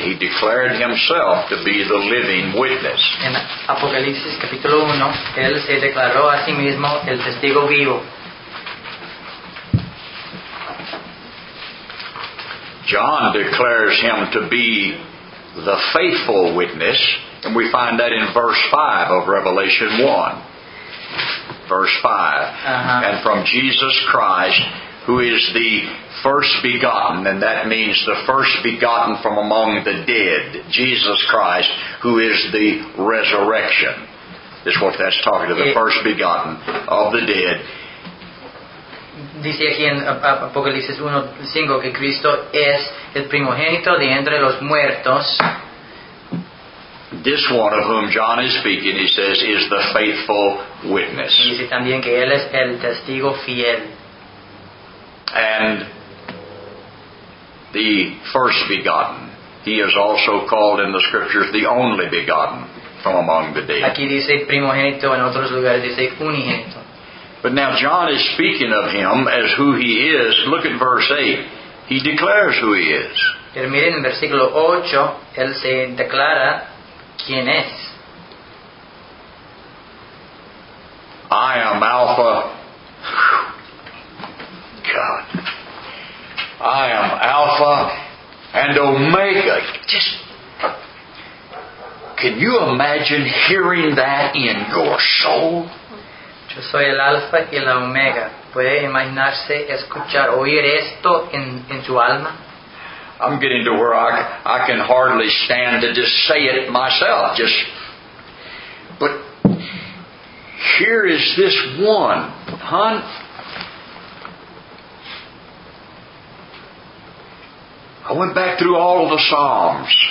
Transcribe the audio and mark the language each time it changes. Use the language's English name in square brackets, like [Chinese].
[English] He declared himself to be the living witness. [Spanish] En Apocalipsis, capítulo 1, él se declaró a sí mismo el testigo vivo. [English] John declares him to be the faithful witness, and we find that in verse 5 of Revelation 1. Verse 5, uh-huh. And from Jesus Christ, who is the first begotten, and that means the first begotten from among the dead, Jesus Christ, who is the resurrection. This is what that's talking to, the first begotten of the dead. [Spanish] Dice aquí en Apocalipsis 1:5 que Cristo es el primogénito de entre los muertos. [English] This one of whom John is speaking, he says, is the faithful witness. [Spanish] Dice también que él es el testigo fiel. [English] And the first begotten. He is also called in the scriptures the only begotten from among the dead. [Spanish] Aquí dice primogénito, en otros lugares dice unigénito. [English] But now John is speaking of him as who he is. Look at verse 8. He declares who he is. [Spanish] Pero miren, en versículo 8, él se declara. ¿Quién es? [English] I am Alpha. God. I am Alpha and Omega. Just. Can you imagine hearing that in your soul? [Spanish] Yo soy el Alpha y la Omega. ¿Puede imaginarse escuchar, oír esto en su alma? [English] I'm getting to where I can hardly stand to just say it myself. Just, but here is this one, hon. I went back through all of the Psalms.